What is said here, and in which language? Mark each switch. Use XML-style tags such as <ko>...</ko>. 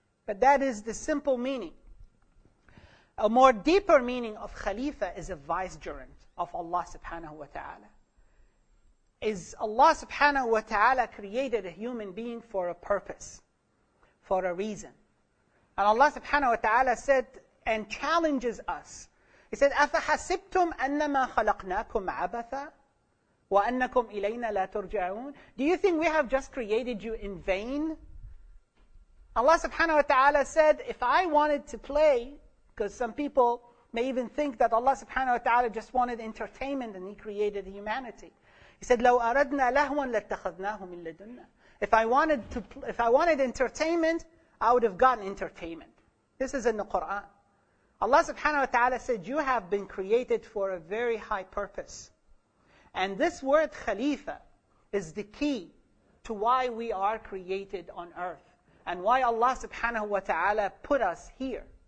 <en>But that is the simple meaning. A more deeper meaning of Khalifa is a vicegerent of Allah subhanahu wa ta'ala. Is Allah subhanahu wa ta'ala created a human being for a purpose, for a reason. And Allah subhanahu wa ta'ala said and challenges us. He said,</en> <ar>أَفَحَسِبْتُمْ أَنَّمَا خَلَقْنَاكُمْ عَبَثًا وَأَنَّكُمْ إِلَيْنَا لَا تُرْجَعُونَ.</ar> <en>Do you think we have just created you in vain? Allah subhanahu wa ta'ala said, if I wanted to play, because some people may even think that Allah subhanahu wa ta'ala just wanted entertainment and He created humanity. He said,</en> <ar>لَوْ أَرَدْنَا لَهْوًا لَاتَّخَذْنَاهُ مِنْ لَدُنَّا.</ar> <en>If I wanted entertainment, I would have gotten entertainment. This is in the Quran. Allah subhanahu wa ta'ala said, you have been created for a very high purpose. And this word Khalifa is the key to why we are created on earth and why Allah subhanahu wa ta'ala put us here.</en>